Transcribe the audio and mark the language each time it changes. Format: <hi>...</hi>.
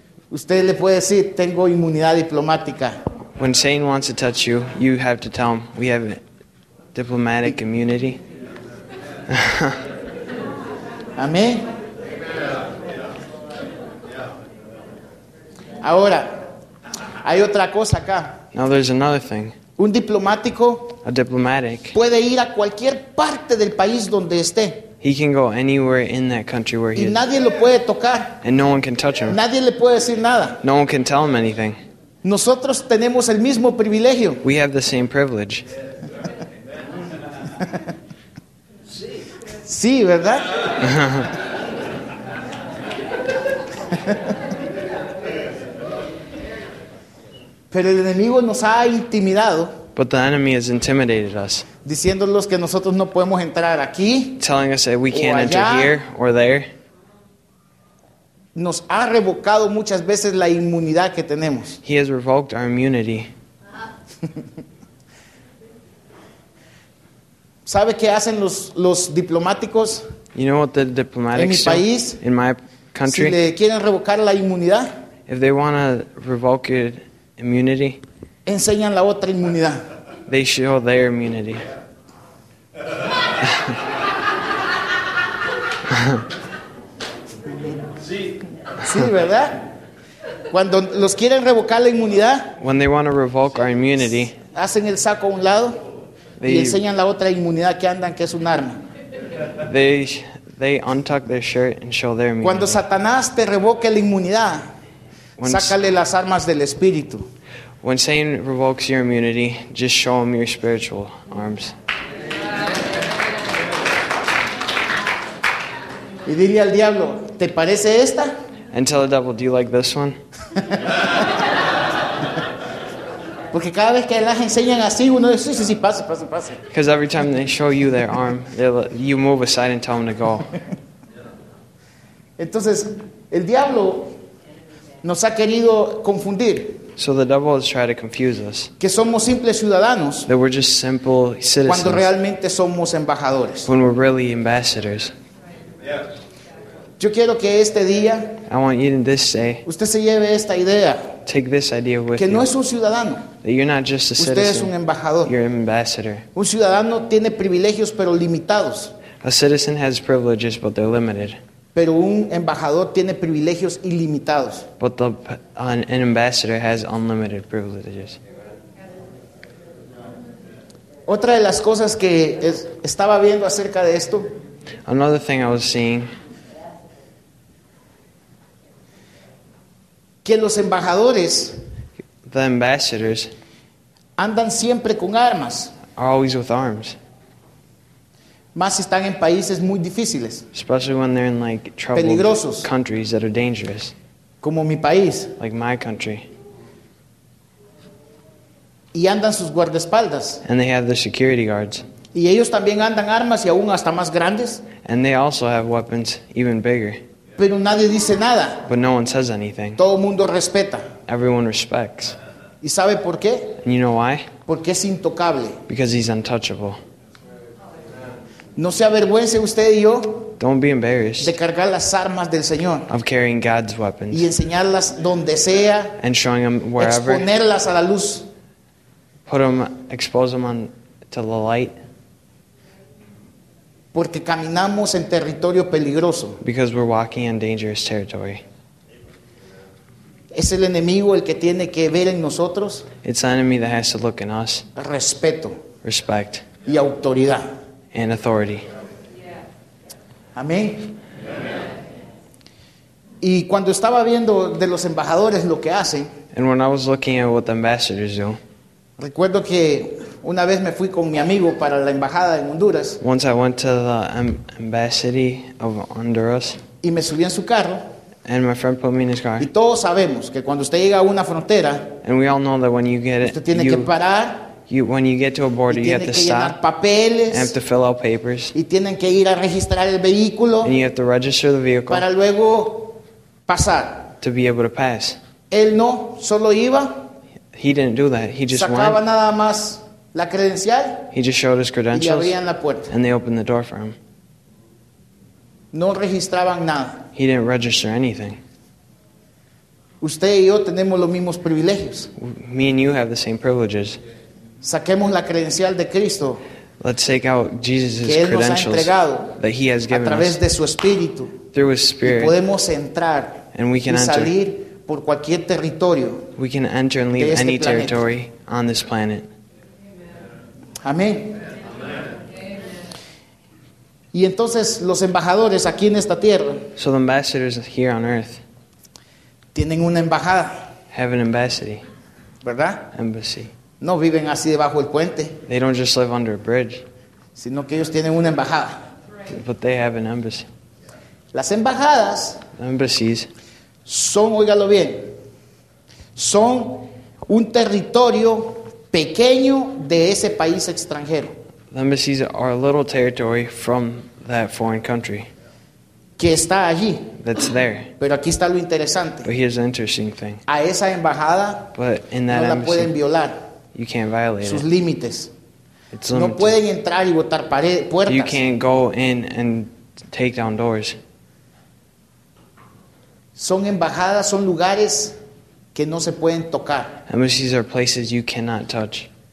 <es>Usted le puede decir, tengo inmunidad diplomática.</es> <en>When Satan wants to touch you, you have to tell him, we have diplomatic immunity.</en> <es>Amén. Ahora, hay otra cosa acá.</es> <en>Now there's another thing.</en> <es>Un diplomático,</es> <en>a diplomatic,</en> <es>puede ir a cualquier parte del país donde esté.</es> <en>He can go anywhere in that country where he is.</en> <es>Y nadie lo puede tocar.</es> <en>And no one can touch him.</en> <es>Nadie le puede decir nada.</es> <en>No one can tell him anything.</en> <es>Nosotros tenemos el mismo privilegio.</es> <en>We have the same privilege.</en> <es>Sí, ¿verdad? Pero el enemigo nos ha intimidado.</es> <en>But the enemy has intimidated us.</en> <es>Diciéndolos que nosotros no podemos entrar aquí.</es> <en>Telling us that we can't enter here or there.</en> <es>Nos ha revocado muchas veces la inmunidad que tenemos.</es> <en>He has revoked our immunity.</en> <es>¿Sabe qué hacen los diplomáticos?</es> <en>You know what the diplomatics</en> <es>en mi país,</es> <en>in my country?</en> <es>Si le quieren revocar la inmunidad,</es> <en>if they want to revoke your immunity,</en> <es>enseñan la otra inmunidad.</es> <en>They show their immunity.</en> <es>Sí, ¿verdad? Cuando los quieren revocar la inmunidad,</es> <en>when they want to revoke our immunity,</en> <es>hacen el saco a un lado. Y enseñan la otra inmunidad que andan, que es un arma.</es> <en>They untuck their shirt and show their immunity.</en> <es>Cuando Satanás te revoque la inmunidad,</es> <en>when</en> <es>sácale las armas del espíritu.</es> <en>When Satan revokes your immunity, just show him your spiritual arms.</en> <es>Y dile al diablo, ¿te parece esta?</es> <en>And tell the devil, do you like this one?</en> <es>Porque cada vez que las enseñan así, uno dice, sí, pase.</es> <en>Because every time they show you their arm, you move aside and tell them to go.</en> <es>Entonces, el diablo nos ha querido confundir.</es> <en>So the devil has tried to confuse us.</en> <es>Que somos simples ciudadanos.</es> <en>That we're just simple citizens.</en> <es>Cuando realmente somos embajadores.</es> <en>When we're really ambassadors.</en> <es>Yo quiero que este día,</es> <en>I want you in this day,</en> <es>usted se lleve esta idea,</es> <en>take this idea with</en> <es>que</es> <en>you.</en> <es>No es un ciudadano.</es> <en>That you're not just a citizen.</en> <es>Usted es un embajador.</es> <en>You're an ambassador.</en> <es>Un ciudadano tiene privilegios, pero limitados.</es> <en>A citizen has privileges, but they're limited.</en> <es>Pero un embajador tiene privilegios ilimitados.</es> <en>But an ambassador has unlimited privileges.</en> <es>Otra de las cosas que estaba viendo acerca de esto.</es> <en>Another thing I was seeing.</en> <es>Que los embajadores,</es> <en>the ambassadors,</en> <es>andan siempre con armas,</es> <en>are always with arms.</en> <es>Más si están en países muy difíciles,</es> <en>especially when they're in like troubled countries that are dangerous,</en> <es>como mi país,</es> <en>like my country.</en> <es>Y andan sus guardaespaldas,</es> <en>and they have the security guards.</en> <es>Y ellos también andan armas y aún hasta más grandes,</es> <en>and they also have weapons even bigger.</en> <es>Pero nadie dice nada.</es> <en>But no one says anything.</en> <es>Todo mundo respeta.</es> <en>Everyone respects.</en> <es>¿Y sabe por qué?</es> <en>And you know why?</en> <es>Porque es intocable.</es> <en>Because he's untouchable.</en> <es>No se avergüence usted y yo.</es> <en>Don't be embarrassed.</en> <es>De cargar las armas del Señor.</es> <en>Of carrying God's weapons.</en> <es>Y enseñarlas donde sea.</es> <en>And showing them wherever.</en> <es>Exponerlas a la luz.</es> <en>Expose them to the light.</en> <es>Porque caminamos en territorio peligroso.</es> <en>Because we're walking in dangerous territory.</en> <es>Es el enemigo el que tiene que ver en nosotros.</es> <en>It's the enemy that has to look in us.</en> <es>Respeto.</es> <en>Respect.</en> <es>Y autoridad.</es> <en>And authority.</en> <es>Amén. Y cuando estaba viendo de los embajadores lo que hacen.</es> <en>And when I was looking at what the ambassadors do.</en> <es>Recuerdo que una vez me fui con mi amigo para la embajada en Honduras.</es> <en>Once I went to the embassy of Honduras.</en> <es>Y me subí en su carro.</es> <en>And my friend put me in his car.</en> <es>Y todos sabemos que cuando usted llega a una frontera.</es> <en>And we all know that when you get it.</en> <es>Usted tiene que parar.</es> <en>When you get to a border, you have to stop.</en> <es>Y tiene que llenar papeles.</es> <en>And have to fill out papers.</en> <es>Y tienen que ir a registrar el vehículo.</es> <en>And you have to register the vehicle.</en> <es>Para luego pasar.</es> <en>To be able to pass.</en> <es>Él no, solo iba.</es> <en>He didn't do that. He just</en> <es>sacaba</es> <en>went.</en> <es>Nada más la credencial.</es> <en>He just showed his credentials.</en> <es>Y abrían la puerta.</es> <en>And they opened the door for him.</en> <es>No registraban nada.</es> <en>He didn't register anything.</en> <es>Usted y yo tenemos los mismos privilegios.</es> <en>Me and you have the same privileges.</en> <es>Saquemos la credencial de Cristo.</es> <en>Let's take out Jesus'</en> <es>que él</es> <en>credentials</en> <es>nos ha entregado</es> <en>that he has given</en> <es>a través</es> <en>us</en> <es>de su espíritu.</es> <en>Through his spirit.</en> <es>Y podemos entrar</es> <en>and we can</en> <es>y salir</es> <en>enter</en> <es>por cualquier territorio.</es> <en>We can enter and leave</en> <es>este</es> <en>any</en> <es>planeta</es> <en>territory on this planet.</en> <es>Amén. Y entonces los embajadores aquí en esta tierra.</es> <en>So the ambassadors here on earth.</en> <es>Tienen una embajada.</es> <en>Have an embassy.</en> <es>¿Verdad?</es> <en>Embassy.</en> <es>No viven así debajo del puente.</es> <en>They don't just live under a bridge.</en> <es>Sino que ellos tienen una embajada.</es> <en>But they have an embassy.</en> <es>Las embajadas.</es> <en>The embassies.</en> <es>son, oígalo bien, son un territorio pequeño de ese país extranjero.</es> <en>The embassies are a little territory from that foreign country.</en> <es>Que está allí.</es> <en>That's there.</en> <es>Pero aquí está lo interesante.</es> <en>But here's the interesting thing.</en> <es>A esa embajada no la pueden violar.</es> <en>You can't violate</en> <es>sus límites.</es> <en>It's limited.</en> <es>No pueden entrar y botar puertas.</es> <en>You can't go in and take down doors.</en> <es>Son embajadas, son lugares que no se pueden tocar.</es> <en>Embassies are places you cannot touch.</en>